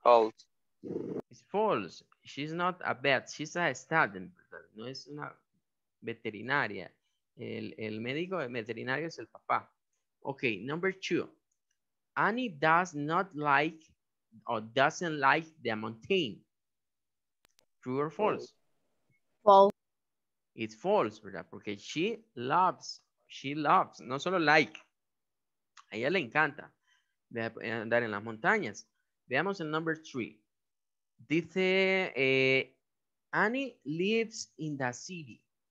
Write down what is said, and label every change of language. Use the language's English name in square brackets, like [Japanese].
[English] False. It's false. She's not a vet. She's a student. [Spanish] No es una veterinaria. El médico el veterinario es el papá. [English] Okay, number two. Annie does not like or doesn't like the mountain. True or false? False. It's false, [Spanish] ¿verdad? Porque [English] she loves, [Spanish] no solo like. A ella le encanta andar en las montañas. Veamos el [English] number three. [Spanish] Dice, [English] Annie lives in the city.